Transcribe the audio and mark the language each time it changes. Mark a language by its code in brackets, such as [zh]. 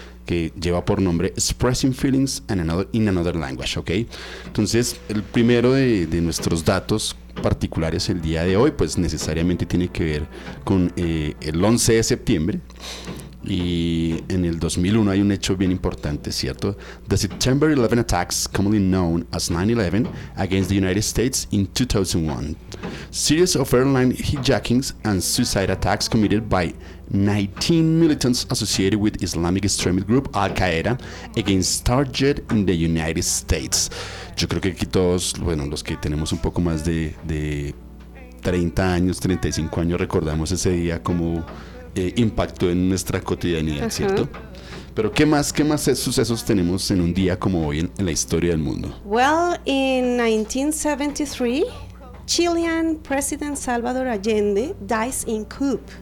[es] Que lleva por nombre [en] Expressing Feelings in another Language, [es] ¿ok? Entonces, el primero de nuestros datos particulares el día de hoy, pues necesariamente tiene que ver con el 11 de septiembre y en el 2001 hay un hecho bien importante, ¿cierto? [en] The September 11 attacks, commonly known as 9/11, against the United States in 2001. Series of airline hijackings and suicide attacks committed by 19 militants associated with Islamic extremist group Al-Qaeda against target in the United States. [es] Yo creo que aquí todos, bueno, los que tenemos un poco más de 30 años, 35 años, recordamos ese día como impactó en nuestra cotidianidad, uh-huh. ¿Cierto? Pero ¿qué más sucesos tenemos en un día como hoy en la historia del mundo? [en] Well, in 1973, Chilean President Salvador Allende dies in coup.